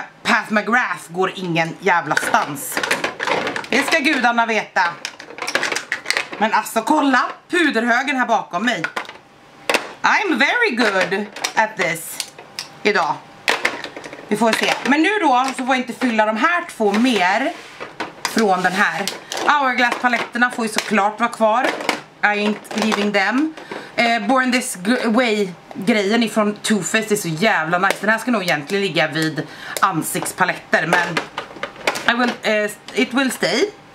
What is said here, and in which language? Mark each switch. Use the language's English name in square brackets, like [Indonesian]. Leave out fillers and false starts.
[Swedish] Pat McGrath går ingen jävla stans. Det ska gudarna veta. Men alltså kolla puderhögen här bakom mig. [English] I'm very good at this idag. [Swedish] Vi får se. Men nu då så får jag inte fylla de här två mer från den här. Hourglass-paletterna får ju såklart vara kvar. [English] I ain't leaving them. [Swedish] Born This Way-grejen ifrån Too Faced är så jävla nice. Den här ska nog egentligen ligga vid ansiktspaletter, men [English] I will, it will stay.